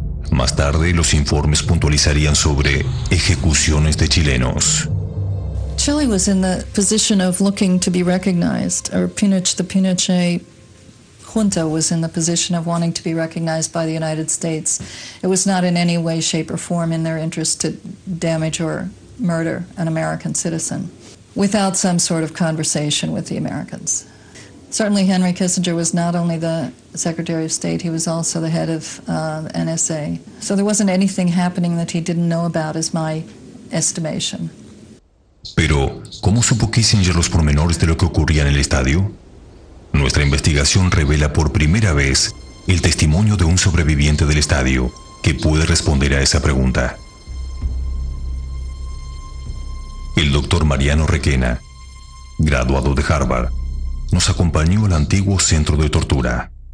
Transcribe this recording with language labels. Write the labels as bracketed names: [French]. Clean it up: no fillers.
[Spanish] Más tarde, los informes puntualizarían sobre ejecuciones de chilenos. [English] Chile was in the position of looking to be recognized, or the Pinochet junta was in the position of wanting to be recognized by the United States. It was not in any way, shape, or form in their interest to damage or murder an American citizen without some sort of conversation with the Americans. Certainly, Henry Kissinger was not only the Secretary of State, he was also the head of the NSA. So there wasn't anything happening that he didn't know about, is my estimation. [Spanish] Pero, ¿cómo supo Kissinger los pormenores de lo que ocurría en el estadio? Nuestra investigación revela por primera vez el testimonio de un sobreviviente del estadio que puede responder a esa pregunta. El doctor Mariano Requena, graduado de Harvard, nos acompañó al antiguo centro de tortura.